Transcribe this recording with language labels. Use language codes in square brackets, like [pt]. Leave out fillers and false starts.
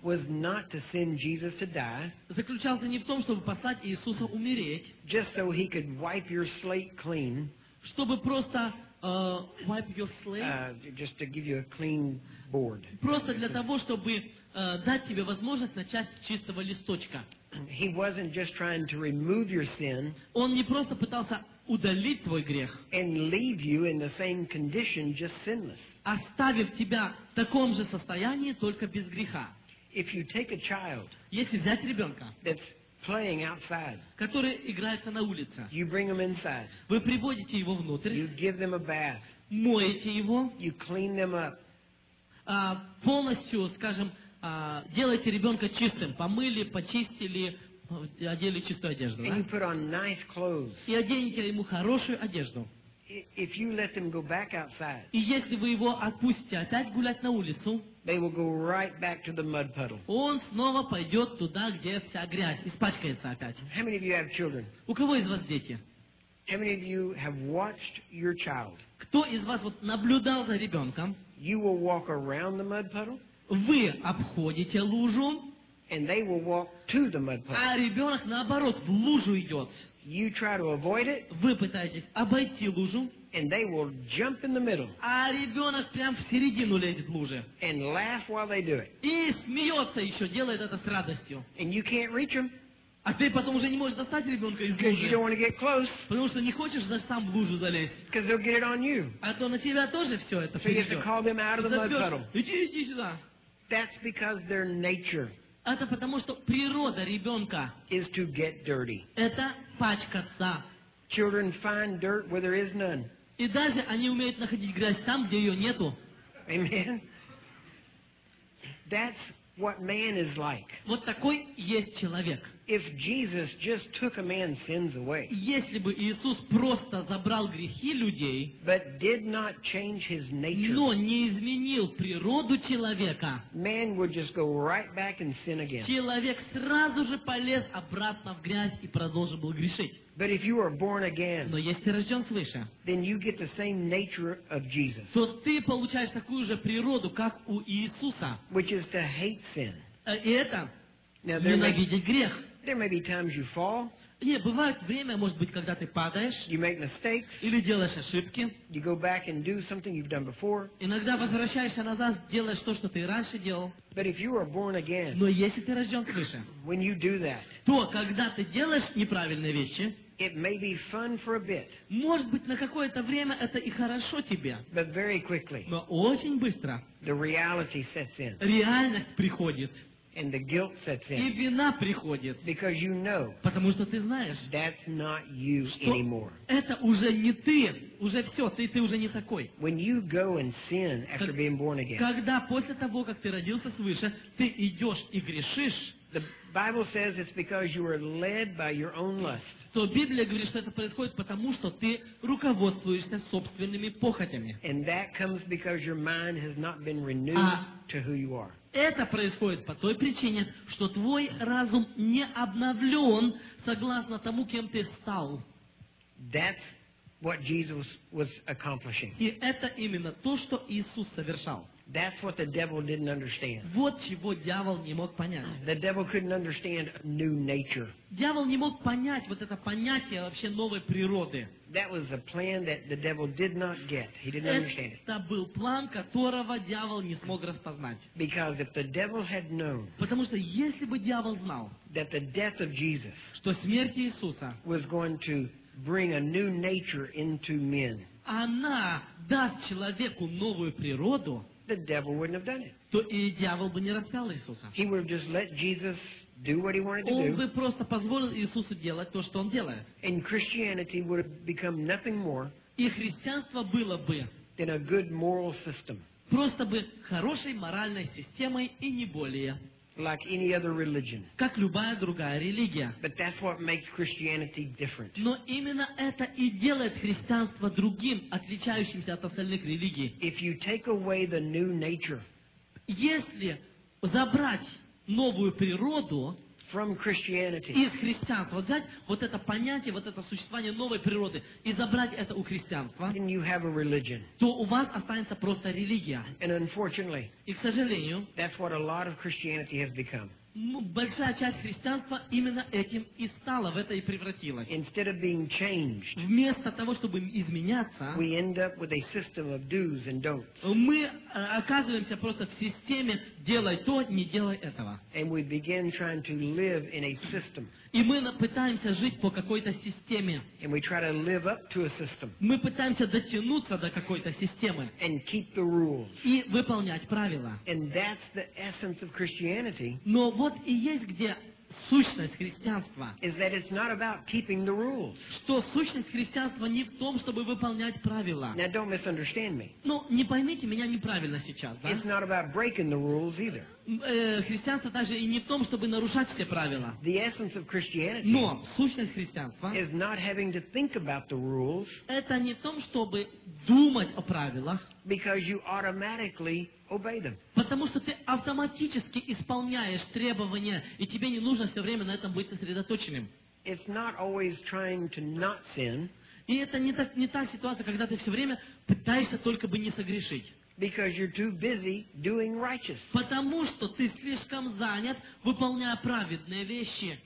[en] was not to send Jesus to die, [ru] заключался не в том, чтобы послать Иисуса умереть, [en] just so he could wipe your slate clean, [ru] чтобы просто [en] wipe your slate, just to give you a clean board, [ru] просто для того, чтобы дать тебе возможность начать с чистого листочка. [en] He wasn't just trying to remove your sin, [ru] он не просто пытался удалить твой грех, [en] and leave you in the same condition, just sinless, [ru] оставив тебя в таком же состоянии, только без греха. [en] If you take a child, [ru] если взять ребенка, [en] that's playing outside, [ru] который играется на улице, [en] you bring him inside, [ru] вы приводите его внутрь, [en] you give them a bath, [ru] моете его, [en] you clean them up, [ru] полностью, скажем, делаете ребенка чистым, помыли, почистили, одели чистую одежду, [en] and you put on nice clothes, [ru] и оденете ему хорошую одежду. [en] If you let them go back outside, [ru] и если вы его отпустите опять гулять на улицу, [en] they will go right back to the mud puddle. [ru] Он снова пойдет туда, где вся грязь, испачкается опять. [en] How many of you have children? [ru] У кого из вас дети? [en] How many of you have watched your child? [ru] Кто из вас вот наблюдал за ребенком? [en] You will walk around the mud puddle, [ru] вы обходите лужу, [en] and they will walk to the mud puddle. [ru] А ребенок наоборот в лужу идет. [en] You try to avoid it, [ru] вы пытаетесь обойти лужу, [en] and they will jump in the middle, [ru] а ребенок прям в середину лезет в луже, [en] and laugh while they do it, [ru] и смеется еще, делает это с радостью, [en] and you can't reach him, [ru] а ты потом уже не можешь достать ребенка из лужи, [en] you don't want to get close, [ru] потому что не хочешь даже сам в лужу залезть, [en] because they'll get it on you, [ru] а то на тебя тоже все это придет, [en] so you have to call them out of the mud puddle. [ru] Иди, иди сюда. [en] That's because their nature, [ru] это потому что природа ребенка, [en] is to get dirty, [ru] это пачкаться. [en] Children find dirt where there is none. [ru] И даже они умеют находить грязь там, где ее нету. [en] Amen. That's what man is like. [ru] Вот такой есть человек. [en] If Jesus just took a man's sins away, [ru] если бы Иисус просто забрал грехи людей, [en] but did not change his nature, [ru] но не изменил природу человека, [en] man would just go right back and sin again. [ru] Человек сразу же полез обратно в грязь и продолжил бы грешить. [en] But if you are born again, [ru] но если ты рожден свыше, [en] then you get the same nature of Jesus, [ru] то ты получаешь такую же природу, как у Иисуса, [en] which is to hate sin. [ru] И это ненавидеть грех. [en] There may be times you fall. [ru] Нет, бывает время, может быть, когда ты падаешь. [en] You make mistakes. [ru] Или делаешь ошибки. [en] You go back and do something you've done before. [ru] Иногда возвращаешься назад, делаешь то, что ты раньше делал. [en] But if you are born again, [ru] но если ты рожден свыше, [en] when you do that, [ru] то когда ты делаешь неправильные вещи, [en] it may be fun for a bit, [ru] может быть, на какое-то время это и хорошо тебе. [en] But very quickly, [ru] но очень быстро, [en] the reality sets in. [ru] Реальность приходит. [en] And the guilt sets in. [ru] И вина приходит. [en] Because you know, [ru] потому что ты знаешь, [en] that's not you anymore. [ru] Это уже не ты. Уже все, ты уже не такой. [en] When you go and sin after being born again, [ru] когда после того, как ты родился свыше, ты идешь и грешишь, [en] the Bible says it's because you are led by your own lust. [ru] То Библия говорит, что это происходит потому, что ты руководствуешься собственными похотями. [en] And that comes because your mind has not been renewed to who you are. [ru] Это происходит по той причине, что твой разум не обновлен согласно тому, кем ты стал. [en] That's what Jesus was accomplishing. [ru] И это именно то, что Иисус совершал. [en] That's what the devil didn't understand. [ru] Вот чего дьявол не мог понять. [en] The devil couldn't understand new nature. [ru] Дьявол не мог понять вот это понятие вообще новой природы. [en] That was a plan that the devil did not get. He didn't understand it. [ru] Это был план, которого дьявол не смог распознать. [en] Because if the devil had known, [ru] потому что если бы дьявол знал, [en] that the death of Jesus, [ru] что смерть Иисуса, [en] was going to bring a new nature into men, [ru] она даст человеку новую природу, [en] the devil wouldn't have done it. [ru] То и дьявол бы не распял Иисуса. [en] He would have just let Jesus do what he wanted to do. [ru] Он бы просто позволил Иисусу делать то, что он делает. [en] And Christianity would have become nothing more. [ru] И христианство было бы [en] than a good moral system. [ru] Просто бы хорошей моральной системой и не более. [en] Like any other religion. [ru] Как любая другая религия. [en] But that's what makes Christianity different. [ru] Но именно это и делает христианство другим, отличающимся от остальных религий. [en] If you take away the new nature, [ru] если забрать новую природу [en] from Christianity, [ru] из христианства, взять вот это понятие, вот это существование новой природы и забрать это у христианства, [en] then you have a religion. [ru] То у вас останется просто религия. [en] And unfortunately, [ru] и, к сожалению, [en] that's what a lot of Christianity has become. [ru] Большая часть христианства именно этим и стала, в это и превратилась. [en] Instead of being changed, [ru] вместо того, чтобы изменяться, [en] we end up with a system of do's and don'ts. [ru] Мы оказываемся просто в системе «делай то, не делай этого». [en] And we begin trying to live in a system. [ru] И мы пытаемся жить по какой-то системе. [en] And we try to live up to a system. [ru] Мы пытаемся дотянуться до какой-то системы. [en] And keep the rules. [ru] И выполнять правила. [en] And that's the essence of Christianity. [ru] Но вот и есть где сущность христианства. [en] Is that it's not about keeping the rules. [ru] Что сущность христианства не в том, чтобы выполнять правила. [en] Now don't misunderstand me. [ru] Ну, не поймите меня неправильно сейчас, да? [en] It's not about breaking the rules either. [ru] Христианство также и не в том, чтобы нарушать все правила. [en] The essence of Christianity, [ru] но сущность христианства, [en] is not having to think about the rules, [ru] это не в том, чтобы думать о правилах, [en] because you automatically obey them. [ru] Потому что ты автоматически исполняешь требования, и тебе не нужно все время на этом быть сосредоточенным. [en] It's not always trying to not sin, [ru] и это не та ситуация, когда ты все время пытаешься только бы не согрешить. [en] Because you're too busy doing righteous. [ru] Потому что ты слишком занят, выполняя праведные вещи.